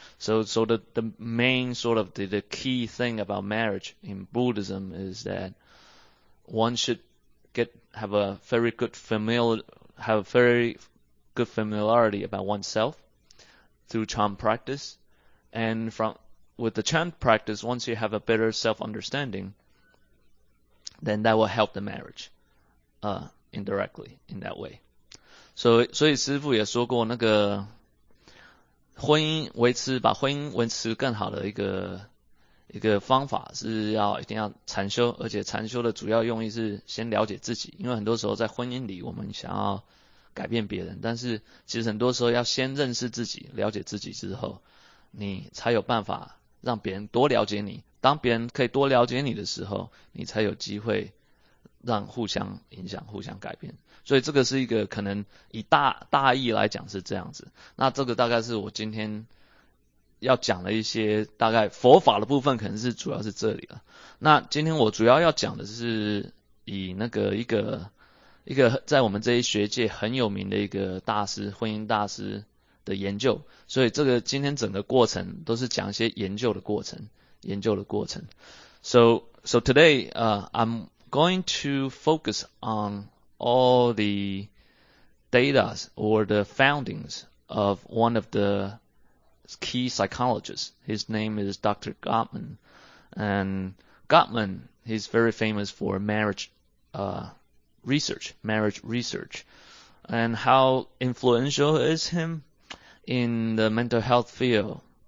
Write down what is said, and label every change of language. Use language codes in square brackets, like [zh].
[en] So the main sort of the key thing about marriage in Buddhism is that one should have a very good familiarity about oneself through chan practice. And with the chan practice, once you have a better self-understanding, then that will help the marriage, indirectly in that way. [zh] 所以师父也说过，那个把婚姻维持更好的一个方法是要一定要禅修，而且禅修的主要用意是先了解自己，因为很多时候在婚姻里我们想要改变别人，但是其实很多时候要先认识自己，了解自己之后，你才有办法让别人多了解你。当别人可以多了解你的时候，你才有机会让互相影响、互相改变。所以这个是一个可能以大意来讲是这样子。那这个大概是我今天要讲的一些大概佛法的部分，可能是主要是这里了。那今天我主要要讲的是以那个一个在我们这一学界很有名的一个大师，婚姻大师的研究，所以这个今天整个过程都是讲一些研究的过程，研究的过程。 [en] So today, I'm going to focus on all the datas or the findings of one of the key psychologists. His name is Dr. Gottman, and Gottman, he's very famous for marriage research, and how influential is him in the mental health field.